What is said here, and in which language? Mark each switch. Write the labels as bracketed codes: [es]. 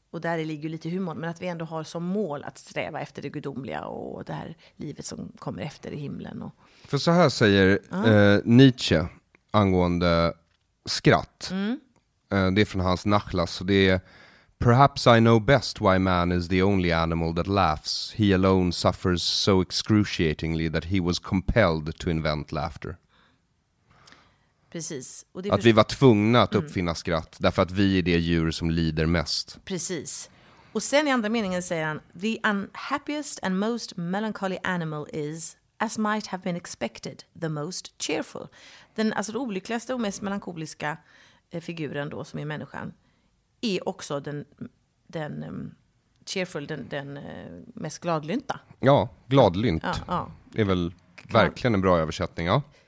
[sv] Och där ligger ju lite humor, men att vi ändå har som mål att sträva efter det gudomliga och det här livet som kommer efter i himlen. Och... För så här säger Nietzsche angående skratt. Mm. Det är från hans Nachlass. Så det är: [en] "Perhaps I know best why man is the only animal that laughs. He alone suffers so excruciatingly that he was compelled to invent laughter." [sv] Precis. Och det att vi var tvungna att uppfinna skratt därför att vi är det djur som lider mest. Precis. Och sen i andra meningen säger han: [en] "The unhappiest and most melancholy animal is, as might have been expected, the most cheerful." [sv] Den alltså olyckligaste och mest melankoliska figuren då, som är människan, är också den cheerful, den mest gladlynta. Ja, gladlynt. Ja, ja. Det är väl verkligen en bra översättning, ja.